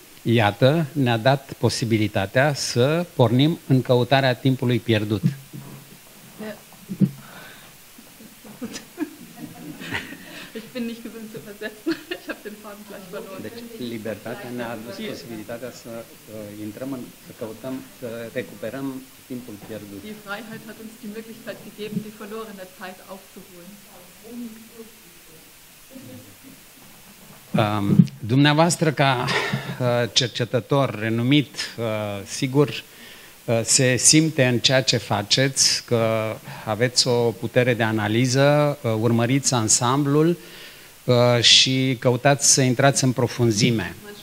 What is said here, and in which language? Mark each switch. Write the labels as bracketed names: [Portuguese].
[Romanian] Iată, ne-a dat posibilitatea să pornim în căutarea timpului pierdut. Deci libertatea ne-a adus posibilitatea să intrăm în, să căutăm, să recuperăm timpul pierdut. [German] Die Freiheit hat uns die Möglichkeit gegeben, die verlorene Zeit aufzuholen. [Romanian] Dumneavoastră, ca cercetător renumit, sigur, se simte în ceea ce faceți, că aveți o putere de analiză, urmăriți ansamblul și căutați să intrați în profunzime.